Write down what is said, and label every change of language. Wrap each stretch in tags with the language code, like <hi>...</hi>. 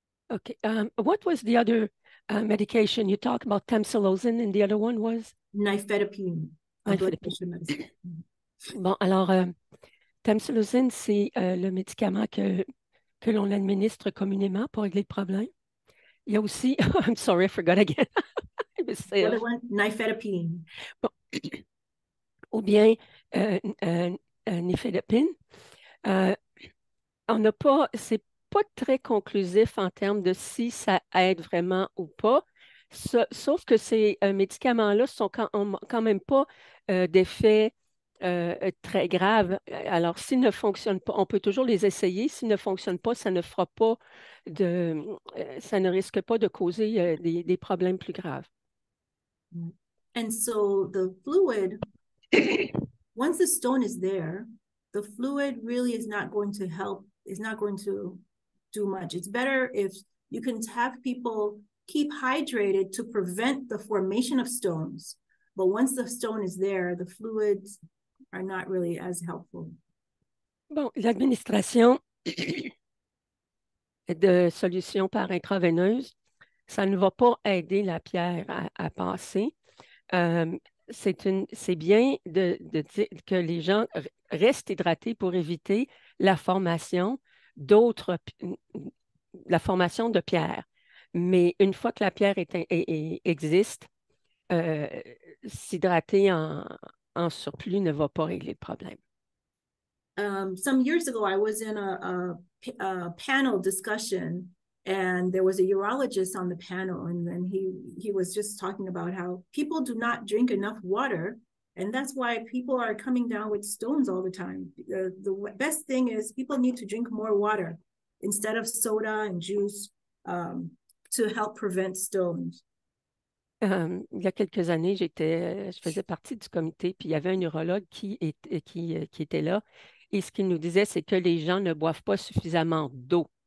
<en>Okay. What was the other medication? You talked about tamsulosin, and the other one was? Nifedipine. Nifedipine.</en> <fr>Bon, alors, tamsulosin, c'est le médicament que l'on administre communément pour régler le problème. Il y a aussi...</fr> <en>I'm sorry, I forgot again. Nifedipine.</en> <fr>Bon. Ou bien nifedipine. On n'a pas, c'est pas très conclusif en termes de si ça aide vraiment ou pas. Sauf que ces médicaments-là sont quand même pas d'effet très grave. Alors, s'ils ne fonctionnent pas, on peut toujours les essayer. S'ils ne fonctionnent pas, ça ne fera pas de, ça ne risque pas de causer des problèmes plus graves.</fr> <en>And so the fluid, once the stone is there, the fluid really is not going to help, is not going to do much. It's better if you can have people keep hydrated to prevent the formation of stones. But once the stone is there, the fluids are not really as helpful.</en> <fr>Bon, l'administration de solutions par intraveineuse, ça ne va pas aider la pierre à passer. C'est bien de dire que les gens restent hydratés pour éviter la formation d'autres, la formation de pierres. Mais une fois que la pierre existe, s'hydrater en surplus ne va pas régler le problème.</fr> <en>Some years ago, I was in a panel discussion, and there was a urologist on the panel, and then he was just talking about how people do not drink enough water, and that's why people are coming down with stones all the time. The best thing is people need to drink more water instead of soda and juice to help prevent stones.</en> <fr>Il y a quelques années, je faisais partie du comité, puis il y avait un urologue qui était là, et ce qu'il nous disait, c'est que les gens ne boivent pas suffisamment d'eau.</fr>